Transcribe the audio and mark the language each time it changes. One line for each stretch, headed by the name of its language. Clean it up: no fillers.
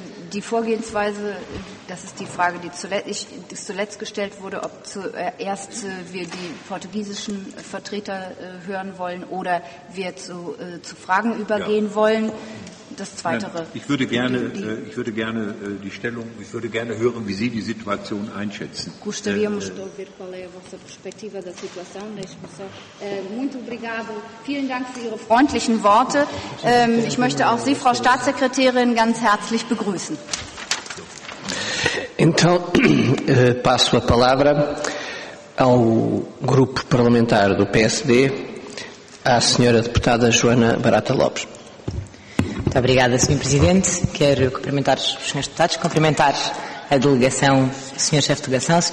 German: Die Vorgehensweise, das ist die Frage, die zuletzt gestellt wurde, ob zuerst wir die portugiesischen Vertreter hören wollen oder wir zu Fragen übergehen wollen. Das Zweitere. Nein, ich würde gerne hören, wie Sie die Situation einschätzen.
Portuguese: Gostaríamos de ouvir qual é a vossa perspectiva da situação. Muito obrigado.
German: Vielen Dank für Ihre freundlichen Worte. Ich möchte auch Sie, Frau Staatssekretärin, ganz herzlich begrüßen.
Portuguese: Então, passo a palavra ao grupo parlamentar do PSD, à senhora deputada Joana Barata Lopes. Muito obrigada, Sr. Presidente. Quero cumprimentar os Srs. Deputados, cumprimentar a delegação, o Sr. Chefe de Delegação, o Sr.